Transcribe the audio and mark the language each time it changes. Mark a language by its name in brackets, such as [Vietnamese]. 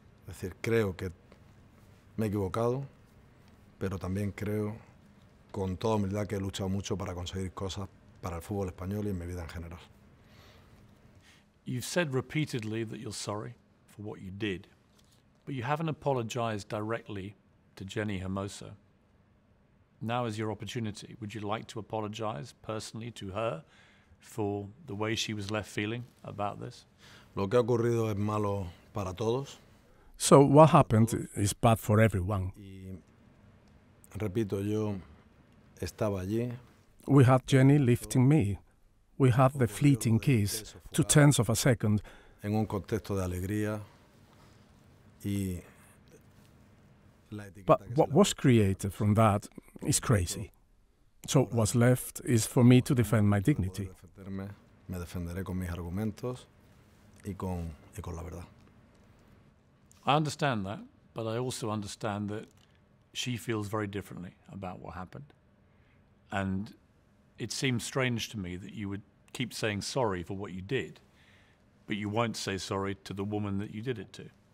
[Spanish] Es decir, creo que me he equivocado, pero también creo con toda humildad que he luchado mucho para conseguir cosas para el fútbol español y en mi vida en general. [English] You've said repeatedly that you're sorry for what you did, but you haven't apologized directly to Jenni Hermoso. Now is your opportunity. Would you like to apologize personally to her for the way she was left feeling about this? [Spanish] Lo que ha ocurrido es malo para todos. [English] So what happened is bad for everyone. Y, [Spanish] repito, yo estaba allí. [English] We had Jenny lifting me. We had the fleeting kiss, 2/10 of a second. [Spanish] En un contexto de alegría. Y [English] but what was created from that is crazy. So what's left is for me to defend my dignity. [Spanish] Me defenderé con mis argumentos y con la verdad. [English] I understand that, but I also understand that she feels very differently about what happened. And it seems strange to me that you would keep saying sorry for what you did, but you won't say sorry to the woman that you did it to.